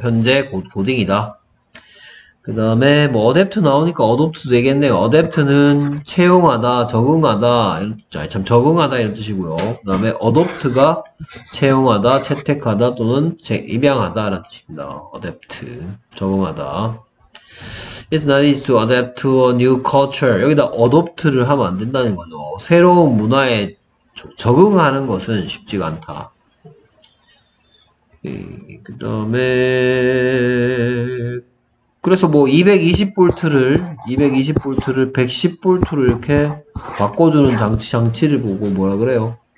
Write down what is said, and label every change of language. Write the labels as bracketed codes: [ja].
[ko] 현재 고딩이다. 그 다음에 뭐 adapt 나오니까 adopt 되겠네요. adapt는 채용하다, 적응하다 이런, 참 적응하다 이런 뜻이고요. 그 다음에 adopt가 채용하다, 채택하다 또는 입양하다라는 뜻입니다. adapt, 적응하다. [en] It's not easy to adapt to a new culture. [ko] 여기다 adopt를 하면 안 된다는 거죠. 새로운 문화에 적응하는 것은 쉽지가 않다. 그 다음에 그래서 뭐 220볼트를 110볼트로 이렇게 바꿔주는 장치를 보고 뭐라 그래요?